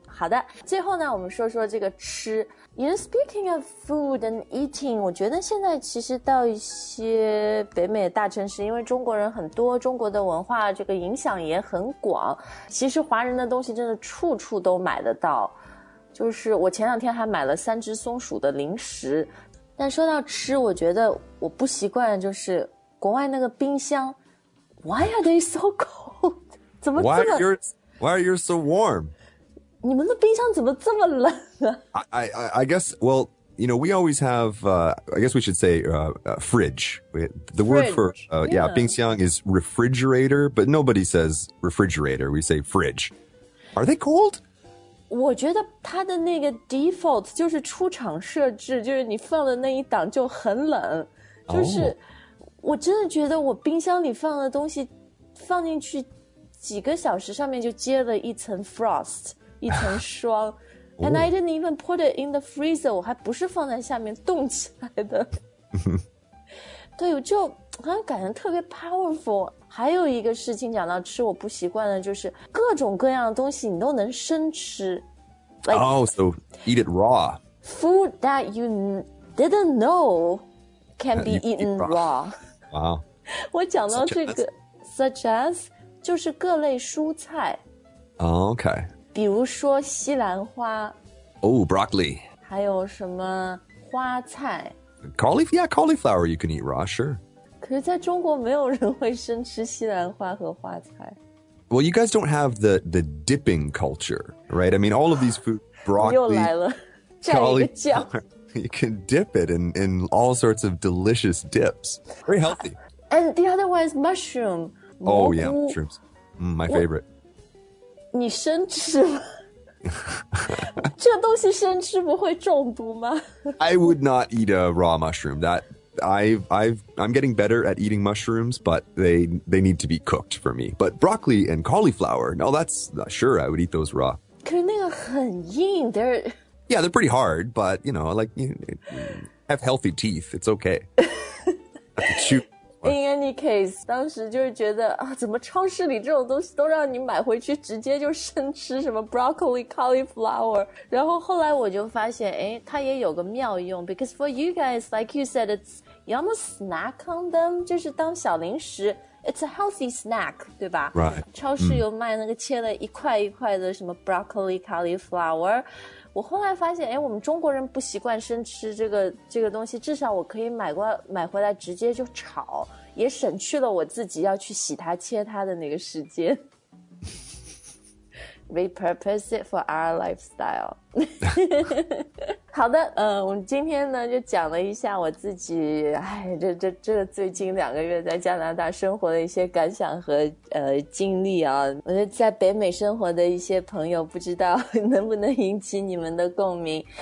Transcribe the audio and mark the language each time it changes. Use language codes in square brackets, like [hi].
[zh] 好的最后呢我们说说这个吃 [en] you know, speaking of food and eating [zh] 我觉得现在其实到一些北美大城市因为中国人很多中国的文化这个影响也很广其实华人的东西真的处处都买得到就是我前两天还买了三只松鼠的零食但说到吃我觉得我不习惯就是国外那个冰箱 [en] Why are they so cold? [zh] 怎么这么 [en] why are you so warm? [zh] 你们的冰箱怎么这么冷 [en] 啊 I guess, well, you know, we always have, I guess we should say fridge. The word fridge, for, yeah, 冰箱 is refrigerator, but nobody says refrigerator, we say fridge. Are they cold? [zh] 我觉得它的那个 default 就是出厂设置，就是你放的那一档就很冷，就是我真的觉得我冰箱里放的东西放进去几个小时上面就结了一层 frost 一层霜 [en] and I didn't even put it in the freezer， [zh] 我还不是放在下面冻起来的对，我就好像感觉特别 powerful。还有一个事情讲到吃我不习惯的，就是各种各样的东西你都能生吃 [en] like, oh so eat it raw food that you didn't know can be eaten raw. Wow. [zh] 我讲到这个 [en] such as [zh] 就是各类蔬菜 [en] OK [zh] 比如说西兰花 [en] Oh broccoli [zh] 还有什么花菜 [en] Cauliflower yeah cauliflower you can eat raw sure [zh] 可是在中国没有人会生吃西兰花和花菜。 [en] Well, you guys don't have the dipping culture, right? I mean, all of these food, broccoli, [zh] 又来了，蘸一个酱。 [en] You can dip it in all sorts of delicious dips. Very healthy. And the other one is mushroom. Oh, yeah, mushrooms. My favorite. [zh] 你生吃吗？这东西生吃不会中毒吗？ [en] I would not eat a raw mushroom. I'm getting better at eating mushrooms, but they need to be cooked for me. But broccoli and cauliflower, no, that's not sure. I would eat those raw. [zh] 可是那个很硬 [en] they're... Yeah, they're pretty hard, but, you know, like, you have healthy teeth. It's okay. In any case, [zh] 当时就是觉得、啊、怎么超市里这种东西都让你买回去直接就生吃什么 broccoli, cauliflower. 然后后来我就发现、哎、它也有个妙用 [en] because for you guys, like you said, you almost snack on them, [zh] 就是当小零食 [en] it's a healthy snack, [zh] 对吧 [en] Right. [zh] 超市有卖那个切了一块一块的什么 broccoli, cauliflower. 我后来发现、哎、我们中国人不习惯生吃这个东西，至少我可以买回来直接就炒，也省去了我自己要去洗它切它的那个时间。 [en] Repurpose it for our lifestyle. [zh] 好的，我们今天呢就讲了一下我自己，哎，这最近两个月在加拿大生活的一些感想和经历啊。我觉得在北美生活的一些朋友，不知道能不能引起你们的共鸣？